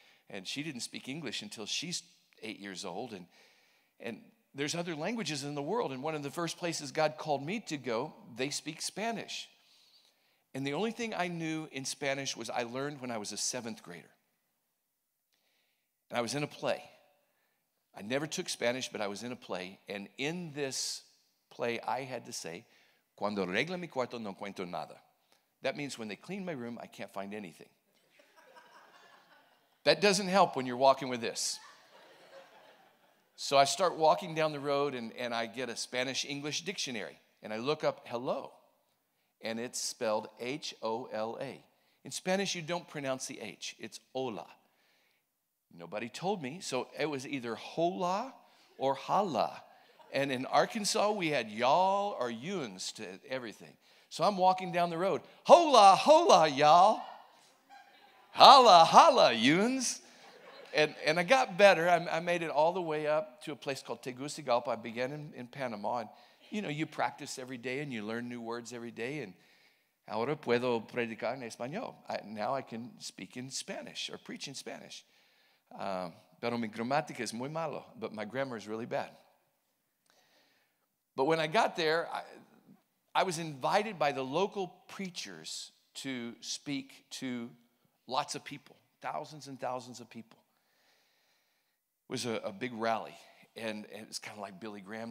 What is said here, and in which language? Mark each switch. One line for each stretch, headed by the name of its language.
English: And she didn't speak English until she's 8 years old. And there's other languages in the world. And one of the first places God called me to go, they speak Spanish. And the only thing I knew in Spanish was I learned when I was a seventh grader. And I was in a play. I never took Spanish, but I was in a play. And in this play, I had to say,
Spanish: Cuando arreglan mi cuarto, no encuentro nada.
English: That means when they clean my room, I can't find anything. That doesn't help when you're walking with this. So I start walking down the road, and I get a Spanish-English dictionary. And I look up hello, and it's spelled H-O-L-A. In Spanish, you don't pronounce the H. It's hola. Nobody told me, so it was either hola or hala. And in Arkansas, we had y'all or yuns to everything. So I'm walking down the road. Hola, hola, y'all. Hala, hala, yuns. And I got better. I made it all the way up to a place called Tegucigalpa. I began in Panama. And, you know, you practice every day and you learn new words every day.
Spanish: And ahora puedo predicar en español.
English: Now I can speak in Spanish or preach in Spanish.
Spanish: Pero mi gramática es muy malo.
English: But my grammar is really bad. But when I got there, I was invited by the local preachers to speak to lots of people, thousands and thousands of people. It was a big rally, and it was kind of like Billy Graham.